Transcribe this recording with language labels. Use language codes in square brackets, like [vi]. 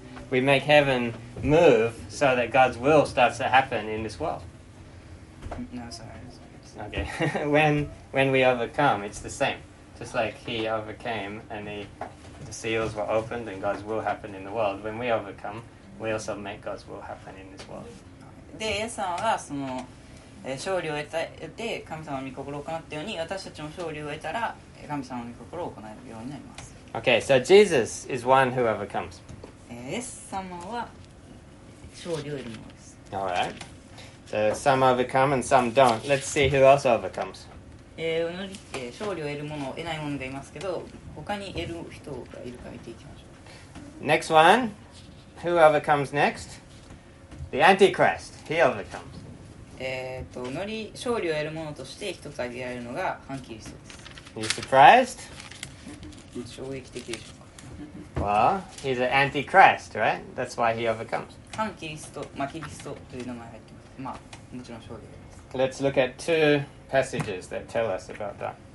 [en] We make heaven move so that God's will starts to happen in this world. No, sorry. Okay, when we overcome, it's the same. Just like he overcame and the seals were opened and God's will happened in the world. When we overcome, we also make God's will happen in this world. [ja] で、イエス様がその、勝利を得て神様の御心を行ったように、私たちも勝利を得たら神様の御心を行えるようになります。 [en] Okay, so Jesus is one who overcomes. [ja] イエス様は勝利を得るものです。 [en] All right. So some overcome and some don't. Let's see who else overcomes. [ja] 勝利を得る者、得ない者がいますけど、他に得る人がいるか見ていきましょう。 [en] Next one. Who overcomes next? The Antichrist. He overcomes. [ja] 勝利を得る者として一つ挙げられるのが、反キリストです。 [en] Are you surprised? [ja] 衝撃的でしょうか。 [en] Well, he's an Antichrist, right? That's why he overcomes. [ja] 反キリスト、まあ、キリストという名前が入ってます。 [en] Let's look at two passages that tell us about that.